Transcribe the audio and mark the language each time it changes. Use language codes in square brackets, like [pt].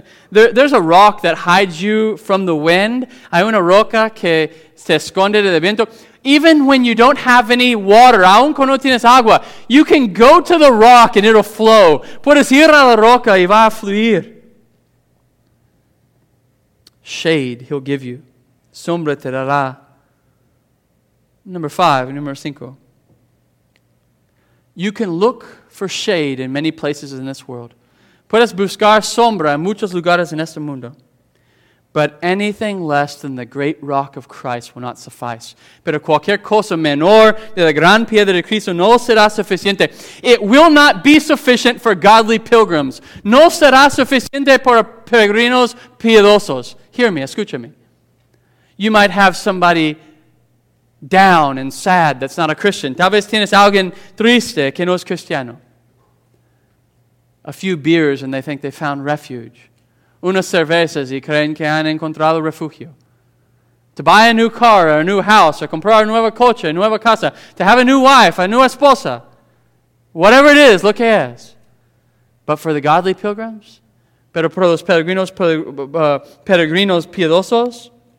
[en] There's a rock that hides you from the wind. [es] Hay una roca que se esconde del viento. [en] Even when you don't have any water, aun cuando tienes agua, you can go to the rock and it'll flow. [es] Puedes ir a la roca y va a fluir. Shade he'll give you. Sombra te dará. Número cinco. [en] You can look for shade in many places in this world. [es] Puedes buscar sombra en muchos lugares en este mundo. [en] But anything less than the great rock of Christ will not suffice. [es] Pero cualquier cosa menor de la gran piedra de Cristo no será suficiente. [en] It will not be sufficient for godly pilgrims. No será suficiente para peregrinos piedosos. Hear me, escúchame. You might have somebody down and sad that's not a Christian. [es] Tal vez tienes alguien triste que no es cristiano. [en] A few beers and they think they found refuge. [es] Unas cervezas y creen que han encontrado refugio. [en] To buy a new car or a new house or comprar nueva coche, nueva casa. To have a new wife, a nueva esposa. Whatever it is, lo que es. But for the godly pilgrims? Pero por los peregrinos piedosos?